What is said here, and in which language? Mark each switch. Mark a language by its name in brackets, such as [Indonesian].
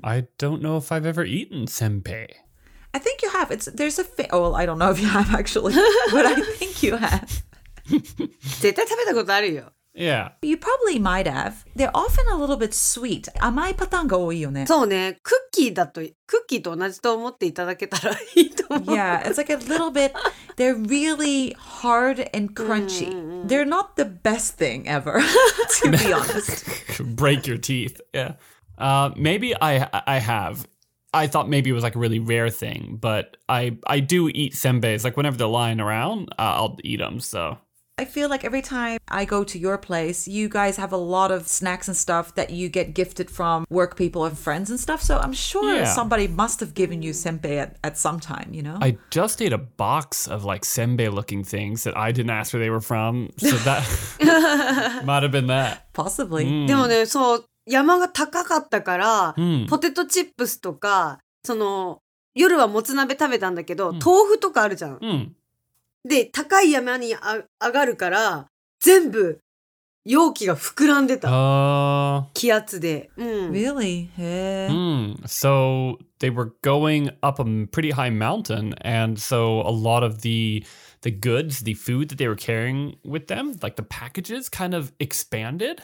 [English] I don't know if I've ever eaten senpei. I think you have. Well, I don't know if you have actually, but I think you have. [Japanese] 絶対食べたことあるよ。 [English] Yeah. You probably might have. They're often a little bit sweet. [Japanese] 甘いパターンが多いよね。そうね。クッキーだと、クッキーと同じと思っていただけたらいいと思う。 [English] Yeah, it's like a little bit, they're really hard and crunchy. They're not the best thing ever, to be honest. Break your teeth. Yeah. Maybe I have. I thought maybe it was like a really rare thing, but I do eat senbeis. Like whenever they're lying around, I'll eat them, so... I feel like every time I go to your place, you guys have a lot of snacks and stuff that you get gifted from work people and friends and stuff. So I'm sure、yeah. somebody must have given you senbei at some time, you know? I just ate a box of like senbei looking things that I didn't ask where they were from. So that might have been that. Possibly. [Japanese] でもね、そう、山が高かったから、ポテトチップスとか、その、夜はもつ鍋食べたんだけど、豆腐とかあるじゃん。で、高い山に上がるから、全部容器が膨らんでた。気圧で。 [English] Really? [Japanese] へぇ。 [English] So, they were going up a pretty high mountain, and so a lot of the goods, the food that they were carrying with them, like the packages, kind of expanded.